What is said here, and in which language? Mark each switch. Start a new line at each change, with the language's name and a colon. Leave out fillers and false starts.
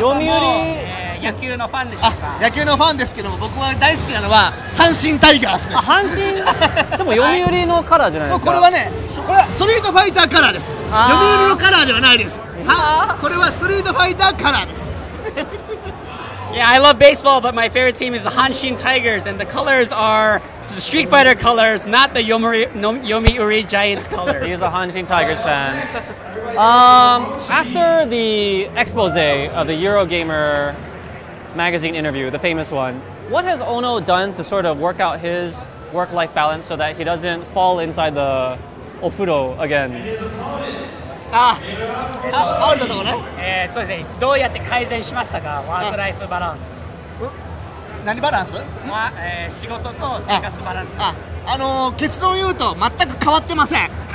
Japanese: ヨミユリ野球のファンでしょうか。あ、野球のファンですけども、僕は大好きなのは阪神タイガースです。あ、阪神でもヨミユリのカラーじゃないですか。はい、そう、これはね、これはストリートファイターカラーです。ヨミユリのカラーではないです。はこれはストリートファイターカラーです。
English: Yeah, I love baseball, but my favorite team is the Hanshin Tigers, and the colors are the Street Fighter colors, not the Yomiuri Giants colors. He's a Hanshin Tigers fan. After the expose of the Eurogamer magazine interview, the famous one, what has Ono done to sort of work out his work-life balance so that he doesn't fall inside the ofuro again?
Japanese: ああ、ファウルのところね。そうですね、どうやって改善しましたか、ワークライフバランス。何バランス、仕事と生活バランス。結論言うと、全く変わってません。